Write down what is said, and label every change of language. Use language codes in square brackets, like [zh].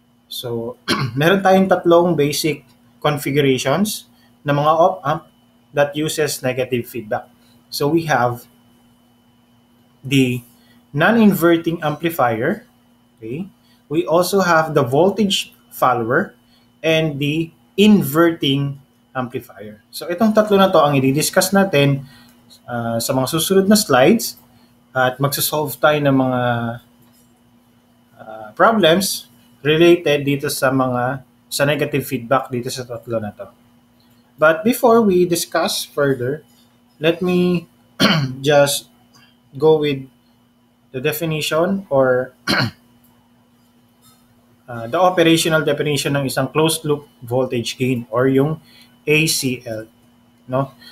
[tl] So, meron tayong tatlong basic configurations ng mga op-amp [en] that uses negative feedback. So we have the non-inverting amplifier, okay? We also have the voltage follower and the inverting amplifier. [tl] So itong tatlo na to ang i-discuss natin sa mga susunod na slides at magsosolve tayo ng mga problems related dito sa negative feedback dito sa tatlo na to. [en] But before we discuss further, let me just go with the definition or the operational definition [tl] ng isang [en] closed loop voltage gain or yung ACL, no?